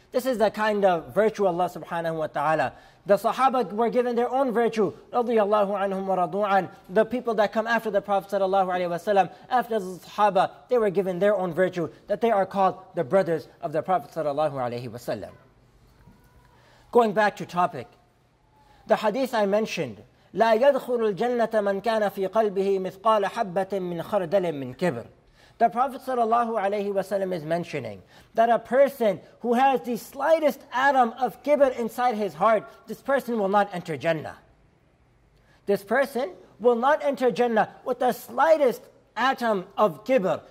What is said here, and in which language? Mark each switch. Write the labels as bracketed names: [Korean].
[English] This is the kind of virtue Allah subhanahu wa ta'ala. The Sahaba were given their own virtue, radiyallahu anhum wa radu'an. The people that come after the Prophet sallallahu alayhi wa sallam, after the Sahaba, they were given their own virtue, that they are called the brothers of the Prophet sallallahu alayhi wa sallam. Going back to topic, the hadith I mentioned, [Arabic] لا يدخل الجنة من كان في قلبه مثقال حبة من خردل من كبر. [English] The Prophet sallallahu alayhi wa sallam is mentioning that a person who has the slightest atom of kibr inside his heart, this person will not enter Jannah. This person will not enter Jannah with the slightest atom of kibr.